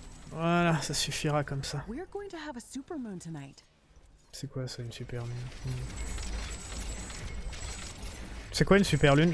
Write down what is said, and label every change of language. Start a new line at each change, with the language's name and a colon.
French: Voilà, ça suffira comme ça.
English: We are going to have a super moon tonight.
French: C'est quoi ça, une super lune? C'est quoi une super lune?